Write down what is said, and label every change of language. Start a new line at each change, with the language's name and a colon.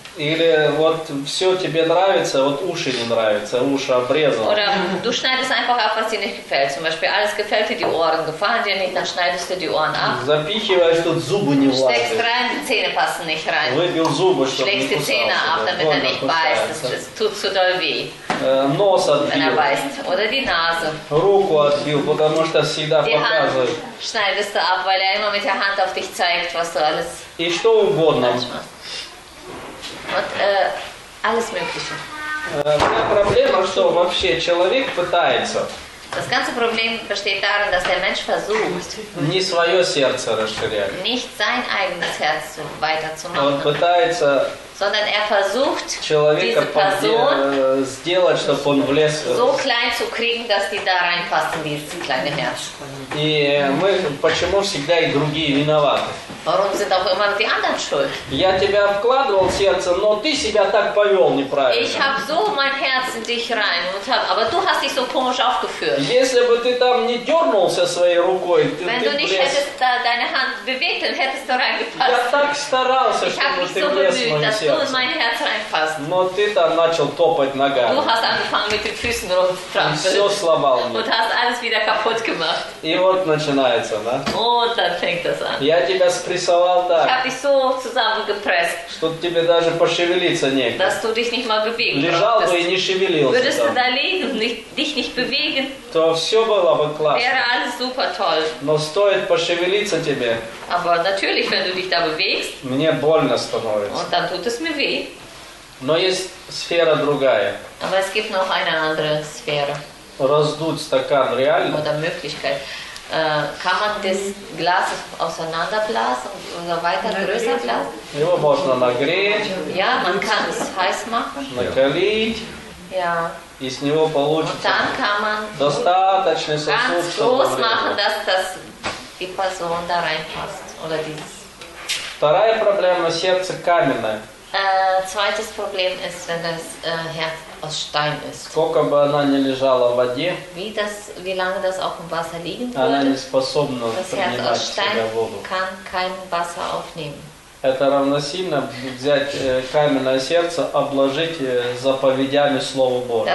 Russian: Или вот все тебе нравится, вот уши не нравятся, уши обрезал.
German: Oder du schneidest einfach ab, was dir nicht gefällt. Zum Beispiel, alles gefällt dir, die Ohren gefallen dir nicht, dann schneidest du die Ohren ab.
Russian: Запихиваешь, тут зубы не влазят.
German: Steckst rein, die Zähne passen nicht rein.
Russian: Выбил зубы, чтобы
German: Schlägst
Russian: не кусался.
German: Schlägst die Zähne ab, damit er nicht beißt. Das tut zu doll weh.
Russian: Нос отбил.
German: Wenn er beißt. Oder die Nase.
Russian: Руку отбил, потому что всегда показывает.
German: Die Hand schneidest du ab, weil er immer mit der Hand auf dich zeigt, was du alles...
Russian: И что угодно. Вот
German: alles mögliche.
Russian: Проблема, что вообще человек пытается.
German: Das ganze Problem besteht darin, dass der Mensch versucht,
Russian: не свое сердце расширять.
German: Nicht sein eigenes Herz weiterzumachen.
Russian: Он пытается,
German: sondern er versucht,
Russian: человека
German: diese Person
Russian: сделать, чтобы он влез.
German: So klein zu kriegen, dass die da reinpasst in dieses kleine Herz.
Russian: И мы почему всегда и другие виноваты?
German: Warum sind auch immer die anderen schuld?
Russian: Я тебя вкладывал в сердце, но ты себя так повел неправильно.
German: Ich habe so mein Herz in dich rein, aber du hast dich so komisch aufgeführt.
Russian: Если бы ты там не дернулся своей рукой, ты
German: Wenn du nicht hättest deine Hand bewegt, dann hättest du reingepasst.
Russian: Я так старался, чтобы ты влез в мое сердце.
German: Dass du in mein Herz reinpasst.
Russian: Но ты там начал топать ногами.
German: Du hast angefangen mit den Füßen rumzutrampeln.
Russian: И все сломал мне.
German: Und hast alles wieder kaputt gemacht.
Russian: И вот начинается, да?
German: Und dann fängt das an.
Russian: Я тебя прессовал так, что тебе даже пошевелиться некогда. Лежал бы и не шевелился.
German: Würdest du da liegen, dich nicht bewegen,
Russian: то все было бы классно.
German: Wäre alles super toll.
Russian: Но стоит пошевелиться тебе,
German: Aber natürlich, wenn du dich da bewegst,
Russian: мне больно становится.
German: Und dann tut es mir weh.
Russian: Но есть сфера другая.
German: Aber es gibt noch eine andere Sphäre.
Russian: Раздуть стакан реально.
German: Oder Möglichkeit. Kann man das Glas auseinanderblasen oder weiter größer blasen?
Russian: Его можно нагреть.
German: Ja, man kann es heiß machen.
Russian: Накалить.
German: Ja.
Russian: И с него получится.
German: Und dann kann man
Russian: достаточный сосуд,
German: ganz groß
Russian: чтобы
German: machen, dass das die Person da reinpasst. Oder dieses.
Russian: Вторая проблема, сердце каменное.
German: Zweites Problem ist, wenn das Herz aus Stein ist.
Russian: Сколько бы она ни лежала в воде,
German: wie lange das auch im Wasser liegen würde,
Russian: она не способна принимать себя воду.
German: Das Herz aus Stein kann kein Wasser aufnehmen.
Russian: Это равносильно взять каменное сердце, обложить заповедями Слово Божие.